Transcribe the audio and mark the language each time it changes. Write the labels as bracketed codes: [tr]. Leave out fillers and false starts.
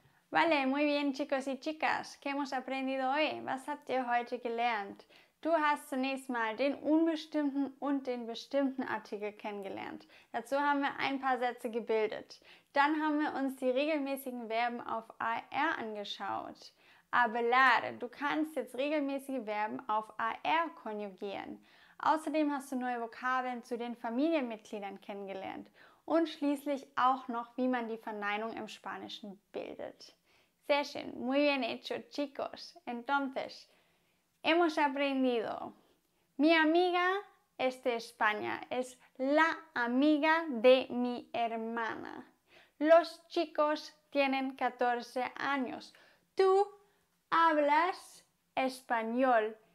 [es] Vale, muy bien, chicos y chicas. ¿Qué hemos aprendido hoy? [de] Was habt ihr heute gelernt? Du hast zunächst mal den unbestimmten und den bestimmten Artikel kennengelernt. Dazu haben wir ein paar Sätze gebildet. Dann haben wir uns die regelmäßigen Verben auf AR angeschaut. Hablar, du kannst jetzt regelmäßige Verben auf AR konjugieren. Außerdem hast du neue Vokabeln zu den Familienmitgliedern kennengelernt. Und schließlich auch noch, wie man die Verneinung im Spanischen bildet. Sehr schön. [es] Muy bien hecho, chicos. Entonces, hemos aprendido. Mi amiga es de España. Es la amiga de mi hermana. Los chicos tienen 14 años. Tú hablas español.